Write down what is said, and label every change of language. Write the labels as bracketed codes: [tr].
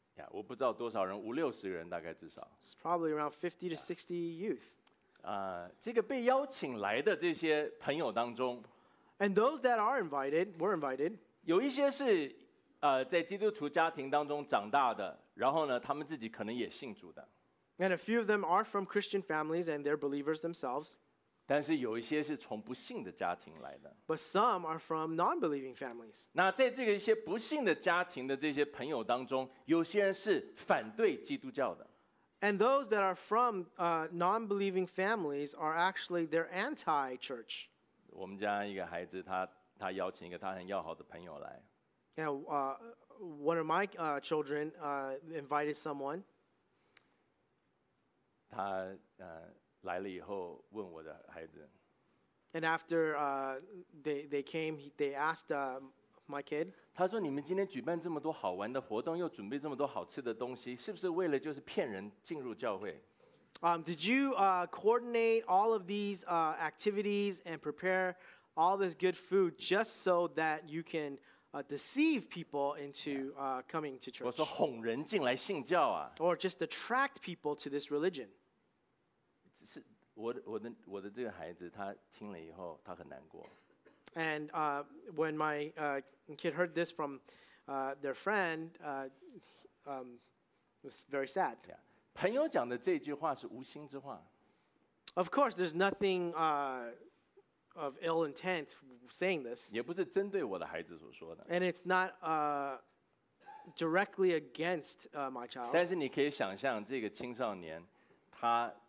[zh] Yeah, 我不知道多少人，五六十个人大概至少。 [en] It's probably around 50 to 60 youth. [zh] 这个被邀请来的这些朋友当中。 [en] And those that are invited, were invited. [zh] 有一些是在基督徒家庭当中长大的，然后呢，他们自己可能也信主的。 [en] And a few of them are from Christian families and they're believers themselves. [zh] 但是有一些是从不信的家庭来的。 [en] But some are from non-believing families. [zh] 那在这个一些不信的家庭的这些朋友当中，有些人是反对基督教的。 [en] And those that are from non-believing families are actually they're anti-church. [zh] 我们家一个孩子，他邀请一个他很要好的朋友来。 [en] Now, one of my children invited someone. [zh] 他来了以后问我的孩子。 [en] And after they came, they asked my kid. [zh] 他说你们今天举办这么多好玩的活动，又准备这么多好吃的东西，是不是为了就是骗人进入教会？ [en] Did you coordinate all of these activities and prepare all this good food just so that you can... deceive people into coming to church. [zh] 我说哄人进来信教啊。 [en] Or just attract people to this religion. [zh] 是我的这个孩子，他听了以后，他很难过。 [en] And when my kid heard this from their friend, it was very sad. Yeah. [zh] 朋友讲的这句话是无心之话。 [en] Of course, there's nothing. Of ill intent saying this. [zh] 也不是针对我的孩子所说的。 [en] And it's not directly against my child. [zh] 但是你可以想象这个青少年，他